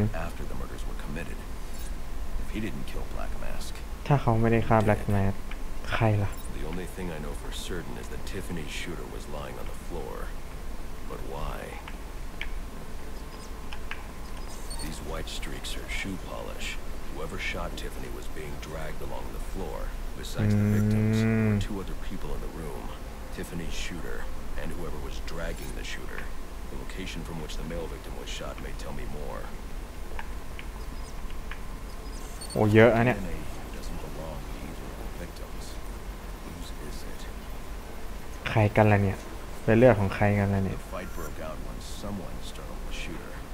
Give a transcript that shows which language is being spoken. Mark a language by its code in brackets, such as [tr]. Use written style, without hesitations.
[en] After the murders were committed. If he didn't kill Black Mask. [th] ถ้าเขาไม่ได้ฆ่า Black Mask, ใครล่ะ [en] The only thing I know for certain is that Tiffany's shooter was lying on the floor. But why? These white streaks are shoe polish. Whoever shot Tiffany was being dragged along the floor. Besides the victims, two other people in the room. Tiffany's shooter and whoever was dragging the shooter. The location from which the male victim was shot may tell me more. Oh yeah, and it doesn't belong to either of the victims. Whose is it? [th] ใครกันล่ะเนี่ย เป็นเรื่องของใครกันล่ะเนี่ย [en] The fight broke out when someone startled the shooter.